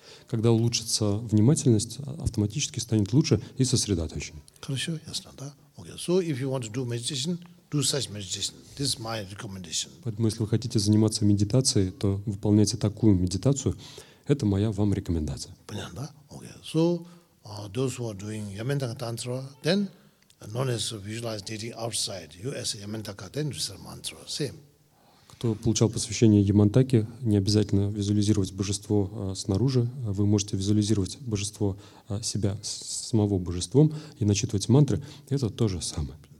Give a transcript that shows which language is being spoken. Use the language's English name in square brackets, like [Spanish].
[Russian] Когда улучшится внимательность, автоматически станет лучше и сосредоточен. Хорошо, ясно, да? Окей. [English] So if you want to do meditation, do such meditation. This is my recommendation. [Russian] Поэтому, если вы хотите заниматься медитацией, то выполняйте такую медитацию. Это моя вам рекомендация. Понятно, да? Окей. [English] So those who are doing Yamantaka Tantra, then known as visualized deity outside, you as a Yamantaka, then recite mantra. Same. [Russian] Кто получал посвящение Ямантаке, не обязательно визуализировать божество снаружи. Вы можете визуализировать божество себя, самого божеством, и начитывать мантры. Это то же самое.